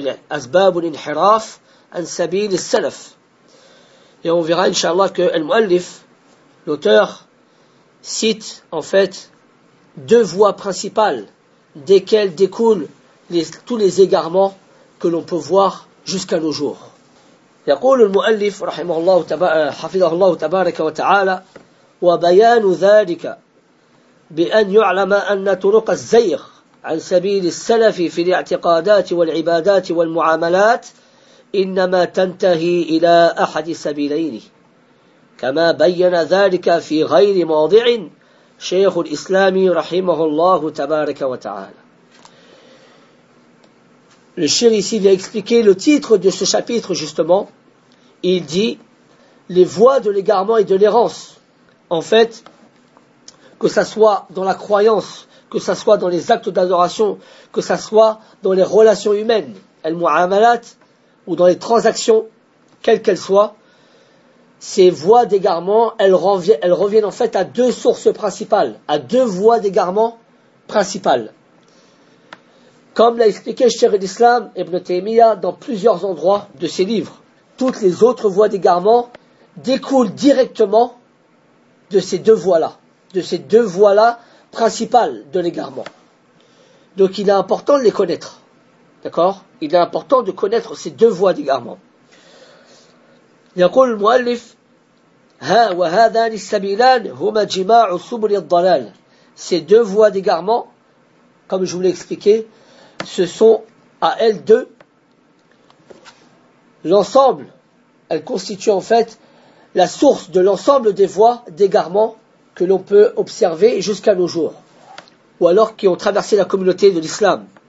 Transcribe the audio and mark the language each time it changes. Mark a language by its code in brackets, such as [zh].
[ar] Asbabun inhiraf an sabil salaf. [fr] Et on verra, inshallah, que al-mu'allif, l'auteur, cite en fait deux voies principales desquelles découlent tous les égarements que l'on peut voir jusqu'à nos jours. [ar] يقول المؤلف رحمه الله حفظه الله تبارك وتعالى وبيان ذلك بأن يعلم أن طرق الزيغ عن سبيل السلف في الاعتقادات والعبادات والمعاملات إنما تنتهي إلى أحد سبيلين، كما بين ذلك في غير موضع شيخ الإسلام رحمه الله تبارك وتعالى. [fr] Le cheikh ici vient expliquer le titre de ce chapitre justement. Il dit les voies de l'égarement et de l'errance. En fait, que ça soit dans la croyance, que ça soit dans les actes d'adoration, que ça soit dans les relations humaines, al-mu'amalat, ou dans les transactions, quelles qu'elles soient, ces voies d'égarement, elles reviennent en fait à deux sources principales, à deux voies d'égarement principales. Comme l'a expliqué Cheikh al-Islam Ibn Taymiyyah dans plusieurs endroits de ses livres, toutes les autres voies d'égarement découlent directement de ces deux voies-là. De ces deux voies-là principales de l'égarement. Donc il est important de les connaître. D'accord ? Il est important de connaître ces deux voies d'égarement. [ar] يقول المؤلف ها وهذان السبيلان هما جماع سبل الضلال. [fr] Ces deux voies d'égarement, comme je vous l'ai expliqué, ce sont à elles deux l'ensemble, elles constituent en fait la source de l'ensemble des voies d'égarement que l'on peut observer jusqu'à nos jours, ou alors qui ont traversé la communauté de l'islam.